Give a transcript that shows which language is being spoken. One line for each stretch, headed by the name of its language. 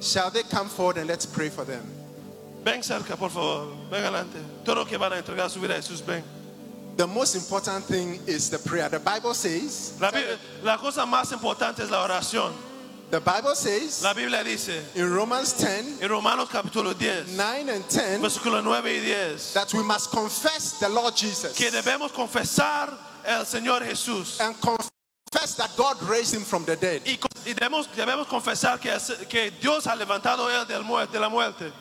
English: Shall they come forward and let's pray for them?
Spanish: Ven cerca, por favor. Ven adelante. Todo lo que van a entregar su vida a Jesús, ven.
English: The most important thing is the prayer. The Bible says.
Spanish: La cosa más importante es la oración.
English: The Bible says,
Spanish: la Biblia dice,
English: in Romans 10,
Spanish: en Romanos capítulo 10,
English: 9 and 10,
Spanish: versículo 9 y 10,
English: that we must confess the Lord Jesus,
Spanish: que debemos confesar el Señor Jesús,
English: and confess that God raised him from the dead.
Spanish: Y debemos confesar que Dios ha levantado él de la muerte.